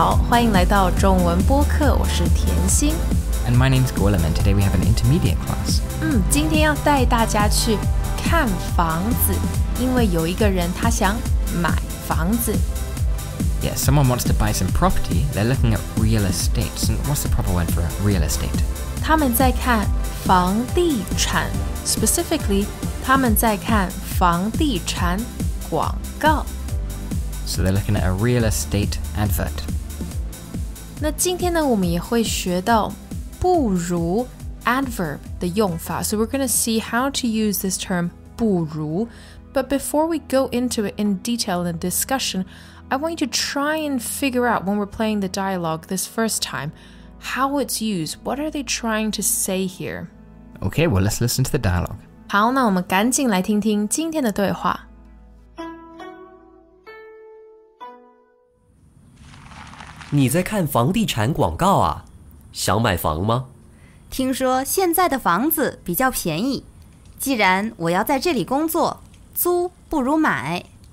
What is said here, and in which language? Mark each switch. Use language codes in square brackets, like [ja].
[zh] 欢迎来到中文播客，我是甜心。 [en] And my name is Gorlam, and today we have an intermediate class. [zh] 今天要带大家去看房子，因为有一个人他想买房子。 [en] Yes, someone wants to buy some property. They're looking at real estate. And what's the proper word for real estate? [zh] 他们在看房地产 ，specifically， 他们在看房地产广告。 [en] So they're looking at a real estate advert. [zh] 那今天呢，我们也会学到不如 adverb 的用法。 [en] So we're going to see how to use this term 不如。 But before we go into it in detail in the discussion, I want you to try and figure out when we're playing the dialogue this first time, how it's used. What are they trying to say here? Okay, well, let's listen to the dialogue. [zh] 好，那我们赶紧来听听今天的对话。你在看房地产广告啊？想买房吗？听说现在的房子比较便宜，既然我要在这里工作，租不如买。